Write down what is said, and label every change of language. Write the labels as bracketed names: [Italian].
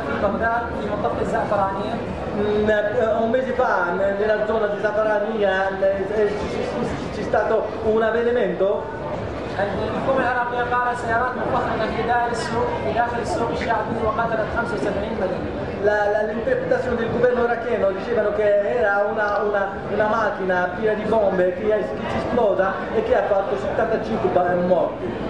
[Italian] Un mese fa nella zona di Zafarania c'è stato un avvenimento. [Arabic] الحكومه العراقيه قالت سيارات مفخمه في داخل السوق الشعبي وقتلت 75 مدنيا [Italian] L'interpretazione del governo iracheno dicevano che era una macchina piena di bombe che si esploda e che ha fatto 75 morti.